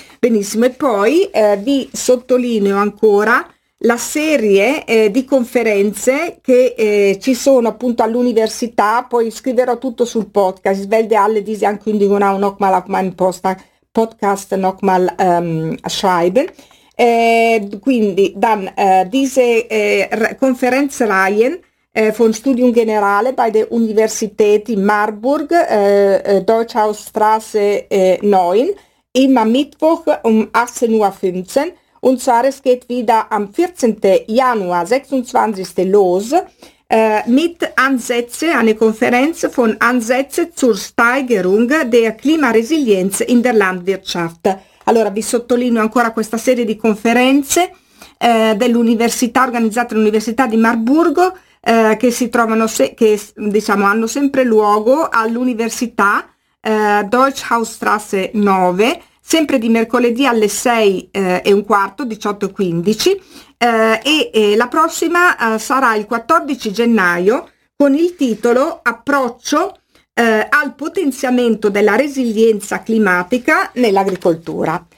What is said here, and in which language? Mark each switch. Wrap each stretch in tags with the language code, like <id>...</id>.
<it>Benissimo, e poi vi sottolineo ancora la serie di conferenze che ci sono appunto all'università, poi scriverò tutto sul podcast,</it> <de>svelde alle diese ankündigung auch nochmal auf meinem podcast nochmal schreiben. Quindi dann diese Konferenz Reihen von Studium Generale bei der Universität in Marburg, Deutschhausstraße 9, immer Mittwoch um 18.15 Uhr. Und zwar, es geht wieder am 14. Januar 26. los mit Ansätze, eine Konferenz von Ansätze zur Steigerung der Klimaresilienz in der Landwirtschaft.</de> <it>Allora, vi sottolineo ancora questa serie di conferenze dell'università, organizzate dall'Università di Marburgo, che si trovano, che diciamo hanno sempre luogo all'Università Deutschhausstraße 9, sempre di mercoledì alle 6 e un quarto, 18:15, e la prossima sarà il 14 gennaio con il titolo Approccio al potenziamento della resilienza climatica nell'agricoltura.</it>